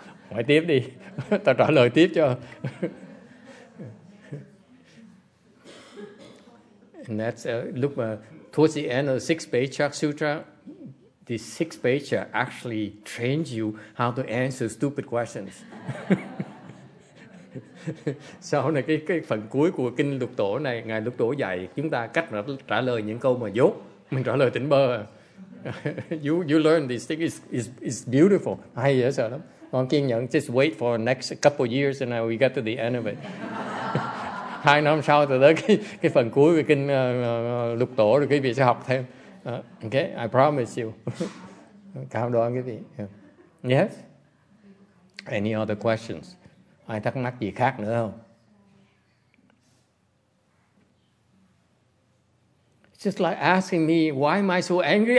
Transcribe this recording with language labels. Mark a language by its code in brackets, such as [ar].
[vi] Hỏi tiếp đi. Ta trả lời tiếp cho. [en] And that's towards the end of the Six Paycheck Sutra, the Six Paycheck actually trains you how to answer stupid questions. [vi] Sau này cái phần cuối của kinh Lục Tổ này, ngài Lục Tổ dạy chúng ta cách trả lời những câu mà dốt, mình trả lời tỉnh bơ. [en] you learn this thing is beautiful. [vi] Hay dễ sợ lắm. Con kiên nhẫn, [en] just wait for the next couple of years and we get to the end of it. [vi] Hai năm sau từ đó cái phần cuối của kinh Lục Tổ rồi quý vị sẽ học thêm. [en] Okay, I promise you. [vi] Cảm đoan quý vị. [en] Yeah. Yes? Any other questions? [vi] Ai thắc mắc gì khác nữa không? [en] It's just like asking me, why am I so angry?